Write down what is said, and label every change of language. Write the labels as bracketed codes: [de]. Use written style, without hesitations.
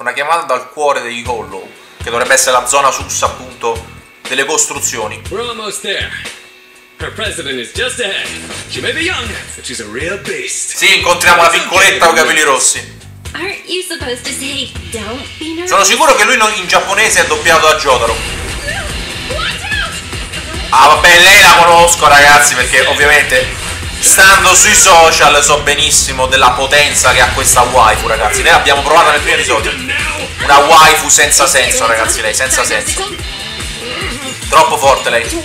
[it] Una chiamata dal cuore degli Hollow. Che dovrebbe essere la zona sus, appunto, delle costruzioni. [en] We're almost there. Her president is just ahead. She may be young, but she's a real beast. [it] Sì, incontriamo la piccoletta con i capelli rossi. [en] Aren't you supposed to say don't be nervous? [it] Sono sicuro che lui in giapponese è doppiato da Jotaro. Ah, vabbè, lei la conosco, ragazzi, perché ovviamente stando sui social so benissimo della potenza che ha questa waifu, ragazzi. Noi l'abbiamo provata nel primo episodio. Una waifu senza senso, ragazzi, lei, senza senso. Troppo forte lei.